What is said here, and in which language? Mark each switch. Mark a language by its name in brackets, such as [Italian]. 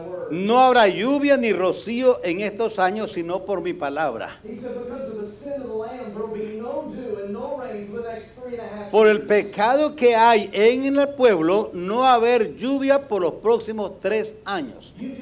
[Spanish] No habrá lluvia ni rocío en estos años, sino por mi palabra. [English] He said, because of the sin of the land, there will be no dew and no rain for the next [Spanish] Por el pecado que hay en el pueblo, no haber lluvia por los próximos 3 años.